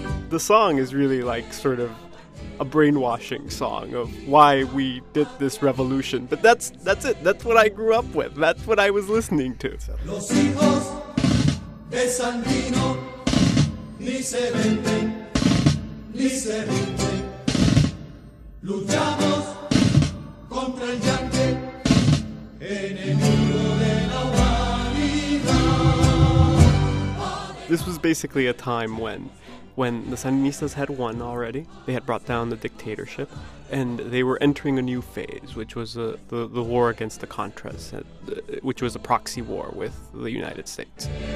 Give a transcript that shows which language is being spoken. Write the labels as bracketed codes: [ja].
[en] The song is really like sort of a brainwashing song of why we did this revolution. But that's it. That's what I grew up with. That's what I was listening to. [es] Los hijos de Sandino ni se venden, ni se venden. Luchamos contra el yanque, enemigo de la humanidad. [en] This was basically a time when the Sandinistas had won already, they had brought down the dictatorship, and they were entering a new phase, which was the war against the Contras, which was a proxy war with the United States.